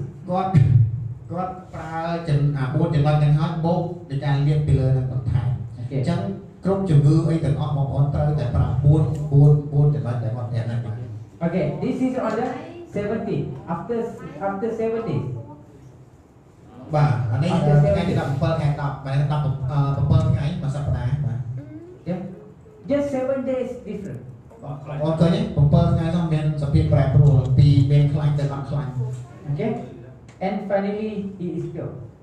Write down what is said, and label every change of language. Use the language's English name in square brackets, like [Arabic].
[Khmer] គាត់គាត់ប្រើចំណាបួនចំណុចទាំងហ្នឹងបូកដូចការលាបពីលើនឹងបន្ថែមអ ញ្ចឹងគ្រប់ជំងឺអីទាំងអស់បងប្អូនត្រូវតែប្រើ4ចំណុចដែលគាត់ត្រូវណាបាទ [English] Okay this is on the 70 after 70 [Khmer] បាទអានេះថ្ងៃទី17ខែ10បែរ17ថ្ងៃមួយសប្តាហ៍បាទ [English] Just 7 days different. [Khmer] អត់ទេ7ថ្ងៃទៅមានសភាពប្រែប្រួលពីមានខ្លាំងទៅអត់ខ្លាំង [English] Okay. And finally he is cured.